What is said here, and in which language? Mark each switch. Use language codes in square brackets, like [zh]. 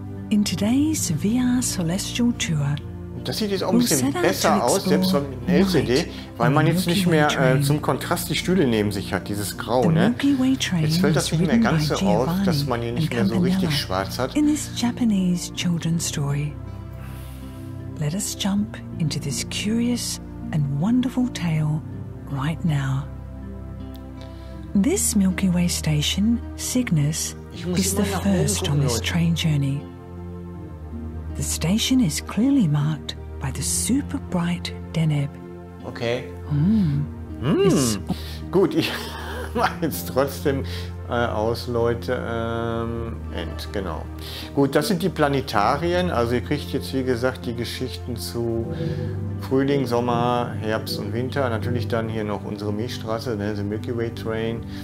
[en] In today's VR Celestial Tour. [de] Das sieht jetzt auch ein bisschen besser aus, selbst von LCD, weil man jetzt nicht mehr zum Kontrast die Stühle neben sich hat, dieses Grau. Ne? Jetzt fällt das nicht mehr ganz so auf, dass man hier nicht mehr so richtig schwarz hat. [en] In this Japanese children's story, let us jump into this curious and wonderful tale right now. This Milky Way station, Cygnus, is the first on this train journey. The station is clearly marked by the super bright Deneb. Okay. [de] Gut, ich mache jetzt trotzdem aus, Leute. Genau. Gut, das sind die Planetarien. Also ihr kriegt jetzt, wie gesagt, die Geschichten zu Frühling, Sommer, Herbst und Winter. Natürlich dann hier noch unsere Milchstraße, ne, the Milky Way Train.